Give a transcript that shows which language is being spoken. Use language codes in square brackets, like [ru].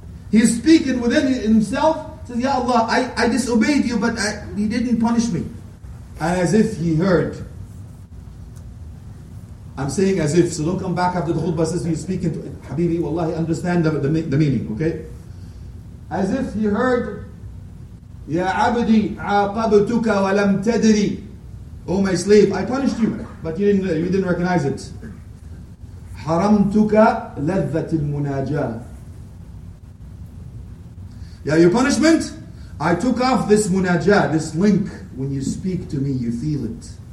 [en] He's speaking within himself, says, Ya Allah, I disobeyed you, but he didn't punish me. And as if he heard. I'm saying as if, so don't come back after the khutbah says he's speaking to Habibi, wallahi, understand the meaning, okay? As if he heard. [ar] Ya abdi, عاقبتك ولم تدري. [en] Oh my slave, I punished you, but you didn't recognize it. [ar] حرمتك لذة المناجاة. [en] Yeah, your punishment? I took off this munajah, this link. When you speak to me, you feel it.